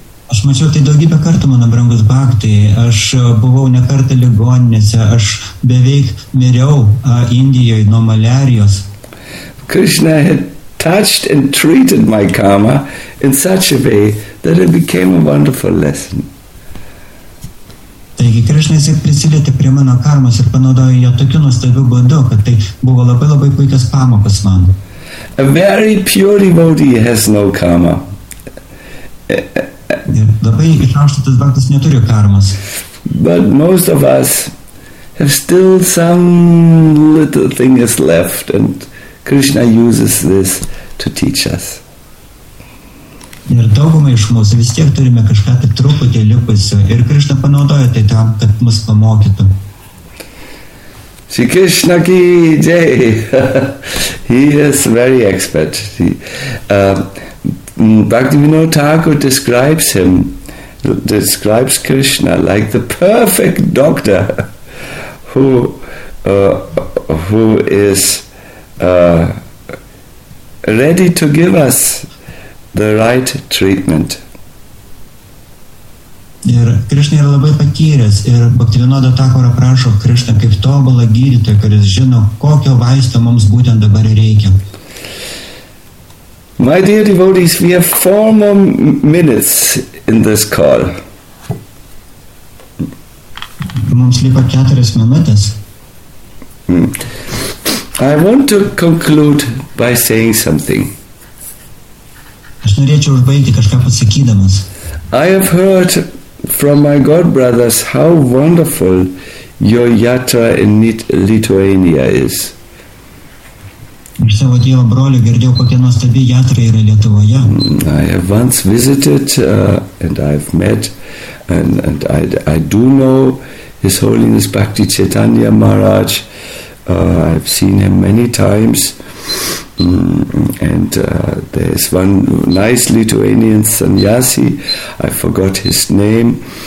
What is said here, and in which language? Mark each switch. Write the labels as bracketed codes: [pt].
[lt] Aš mačiau tai daugybę kartų, mano brangus baktai. Aš buvau ne kartą ligoninėse. Aš beveik miriau Indijoje nuo malarijos. [en] Krishna had touched and treated my karma in such a way that it became a wonderful lesson. [lt] Taigi Krishna jis prisilietė prie mano karmos ir panaudojo jo tokiu nuostabiu būdu, kad tai buvo labai labai puikios pamokos man. [en] A very pure devotee has no karma. [lt] Labai išaukštintas baktas neturi karmos. [en] But most of us have still some little thing is left and Krishna uses this to teach us. [lt] Ir dauguma iš mūsų vis tiek turime kažką tik truputį liupusio ir Krishna panaudoja tai tam, kad mus pamokytų. [hi] Shri Krishna ki jai. [en] He is very expert. Bhaktivinoda Thakur describes him, describes Krishna like the perfect doctor who is ready to give us the right treatment. [lt] Ir Krishna yra labai patyręs ir Bhaktivinoda Thakur aprašo Krishna kaip tobulą gydytoją, kuris žino, kokio vaisto mums būtent dabar reikia. [en] My dear devotees, we have 4 more minutes in this call. [lt] Mums liko 4 minutės. [en] I want to conclude by saying something. [lt] Aš norėčiau užbaigti kažką pasakydamas. [en] I have heard from my god brothers how wonderful your yatra in Lithuania is. [lt] Iš savo dievo brolio girdėjau, kokia nuostabi jatra yra Lietuvoje. [en] I have once visited and I've met and I do know His Holiness Bhakti Chaitanya Maharaj. I've seen him many times and there's one nice Lithuanian sannyasi, I forgot his name.